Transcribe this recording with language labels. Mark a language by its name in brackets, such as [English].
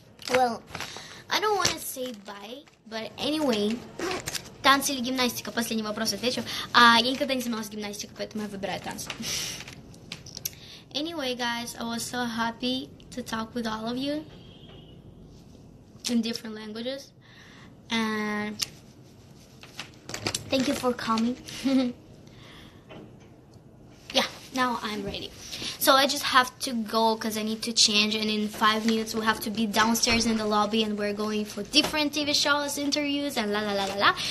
[English] Well, I don't want to say bye, but anyway. [Russian] Танцы или гимнастика? Последний вопрос отвечу. А я никогда не занималась гимнастикой, поэтому я выбираю танцы. [English] Anyway, guys, I was so happy to talk with all of you in different languages. And thank you for coming. Yeah, now I'm ready. So I just have to go because I need to change, and in 5 minutes we have to be downstairs in the lobby and we're going for different TV shows, interviews, and la la la la la.